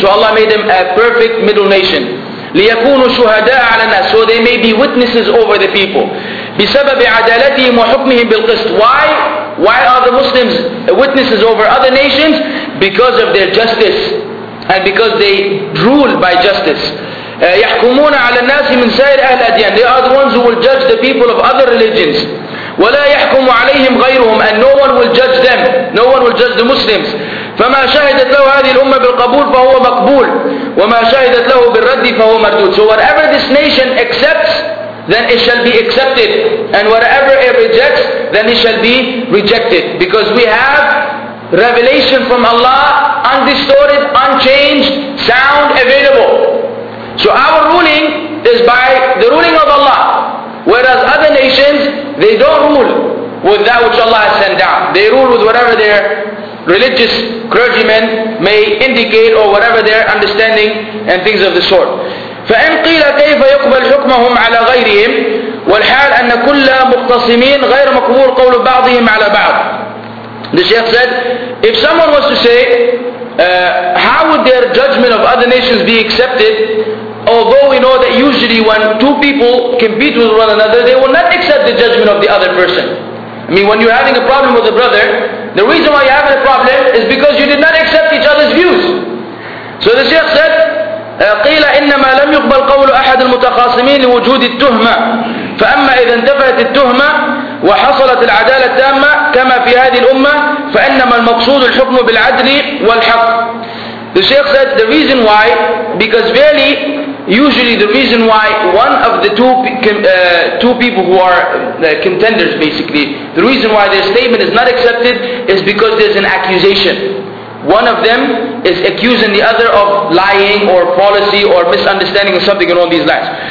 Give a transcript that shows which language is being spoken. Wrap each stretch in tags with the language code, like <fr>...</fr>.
<en>So Allah made them a perfect middle nation.</en> <ar>لِيَكُونُوا شُهَدَاءَ عَلَى النَّاسِ.</ar> <en>So they may be witnesses over the people.</en> <ar>بِسَبَبِ عَدَالَتِهِمْ وَحُكْمِهِمْ بِالْقِسْطِ.</ar> <en>Why? Why are the Muslims witnesses over other nations? Because of their justice. And because they rule by justice.</en> <ar>يحكمون على الناس من سائر أهل الأديان.</ar> <en>They are the ones who will judge the people of other religions.</en> <ar>ولا يحكم عليهم غيرهم.</ar> <en>And no one will judge them. No one will judge the Muslims.</en> <ar>فما شهدت له هذه الأمة بالقبول فهو مقبول. وما شهدت له بالرد فهو مردود.</ar> <en>So whatever this nation accepts, then it shall be accepted. And whatever it rejects, then it shall be rejected. Because we have revelation from Allah, undistorted, unchanged, sound, available. So our ruling is by the ruling of Allah. Whereas other nations, they don't rule with that which Allah has sent down. They rule with whatever their religious clergymen may indicate or whatever their understanding and things of the sort.</en> <ar>فإن قيل كيف يقبل حكمهم على غيرهم والحال أن كل مختصمين غير مقبول قول بعضهم على بعض.</ar> <en>The Sheikh said, if someone was to say, how would their judgment of other nations be accepted? Although we know that usually when two people compete with one another, they will not accept the judgment of the other person. I mean, when you're having a problem with a brother, the reason why you're having a problem is because you did not accept each other's views. So the Sheikh said,</en> <ar>قيل إنما لم يقبل قول أحد المتخاصمين لوجود التهمة فأما إذا انتفعت التهمة وحصلت العدالة التامة كما في هذه الأمة فإنما المقصود الحكم بالعدل والحق.</ar> <en>The Sheikh said the reason why, because really usually the reason why one of the two people who are contenders, basically the reason why their statement is not accepted is because there's an accusation. One of them is accusing the other of lying or policy or misunderstanding or something along these lines.</en>